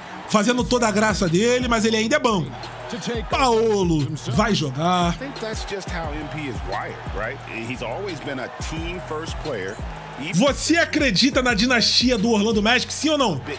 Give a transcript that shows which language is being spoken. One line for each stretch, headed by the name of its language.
Portuguese: Fazendo toda a graça dele, mas ele ainda é banco. Paolo vai jogar.
English: I think that's just how MP is wired, right? He's always been a team first player.
Portuguese: Você acredita na dinastia do Orlando Magic, sim ou não?